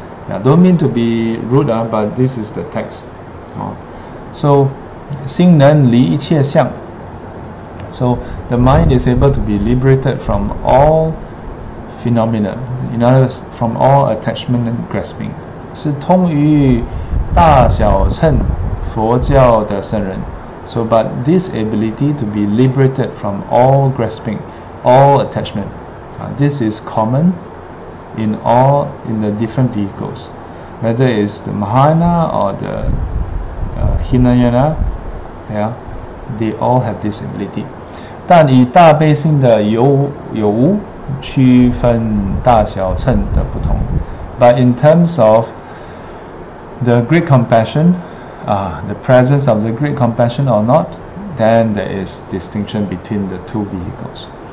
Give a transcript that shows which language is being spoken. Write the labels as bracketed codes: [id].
[en] Yeah, don't mean to be rude, but this is the text. [zh] So, 心能离一切相. [en] So, the mind is able to be liberated from all phenomena, in other words, from all attachment and grasping. [zh] 是通于大小乘佛教的僧人。 [en] So, but this ability to be liberated from all grasping, all attachment, this is common in the different vehicles, whether it's the Mahayana or the Hinayana, yeah, they all have this ability. [zh] 但以大悲心的有无区分大小乘的不同。 [en] But in terms of the great compassion,the presence of the great compassion or not, then there is distinction between the two vehicles.